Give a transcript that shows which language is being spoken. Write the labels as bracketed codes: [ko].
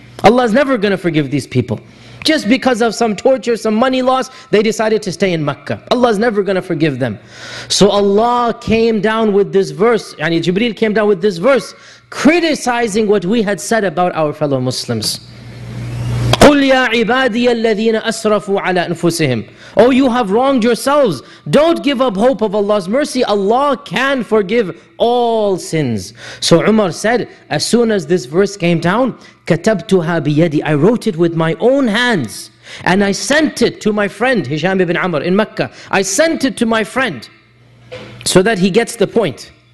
[en] Allah is never going to forgive these people. Just because of some torture, some money loss, they decided to stay in Mecca. Allah is never going to forgive them. So Allah came down with this verse, yani Jibreel came down with this verse, criticizing what we had said about our fellow Muslims. [ar] قُلْ يَا عِبَادِيَ الَّذِينَ أَسْرَفُوا عَلَىٰ أَنفُسِهِمْ [en] Oh, you have wronged yourselves. Don't give up hope of Allah's mercy. Allah can forgive all sins. So Umar said, as soon as this verse came down, [ar] كَتَبْتُهَا بِيَدِي [en] I wrote it with my own hands. And I sent it to my friend, Hisham ibn Amr in Mecca. I sent it to my friend so that he gets the point.